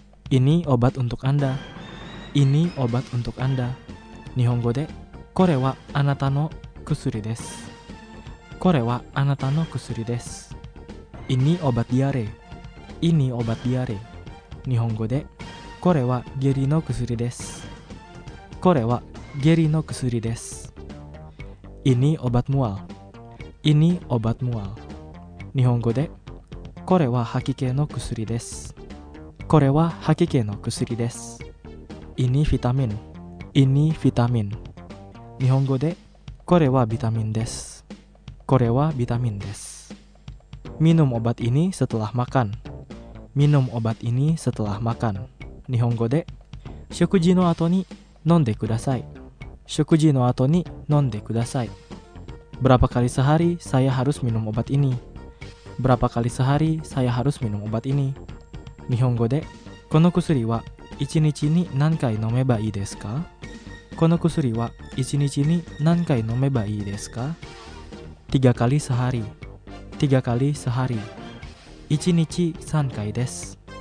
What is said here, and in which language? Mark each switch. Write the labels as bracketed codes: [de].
[id] Ini obat untuk Anda. Ini obat untuk Anda. [ja] 日本語で、これはあなたの薬です。これはあなたの薬です。 [id] Ini obat diare. Ini obat diare. [ja] 日本語でこれは下痢の薬です。これは下痢の薬です。 [id] Ini obat mual. Ini obat mual. [ja] 日本語でこれは吐き気の薬です。これは吐き気の薬です。 [id] Ini vitamin. Ini vitamin. [ja] 日本語でこれはビタミンです。これはビタミンです。 [id] Minum obat ini setelah makan. Minum obat ini setelah makan. [ja] 日本語で食事の後に飲んでください。食事の後に飲んでください。 [id] Berapa kali sehari saya harus minum obat ini? Berapa kali sehari saya harus minum obat ini? [ja] 日本語でこの薬は一日に何回飲めばいいですか？この薬は一日に何回飲めばいいですか？ [id] 3 kali sehari. 3 kali sehari. [ja] 1 nichi 3 kai desu.